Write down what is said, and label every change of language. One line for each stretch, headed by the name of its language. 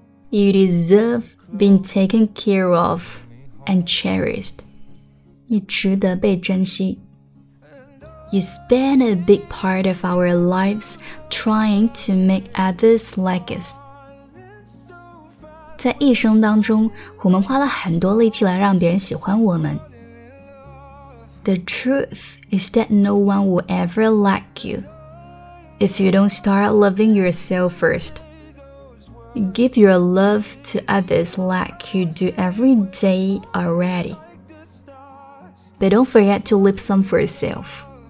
English: You deserve being taken care of and cherished.
Chinese: 你值得被珍惜。
English: You spend a big part of our lives trying to make others like us.
Chinese: 在一生当中，我们花了很多力气来让别人喜欢我们。
English: The truth is that no one will ever like you if you don't start loving yourself first. Give your love to others like you do every day already. But don't forget to leave some for yourself.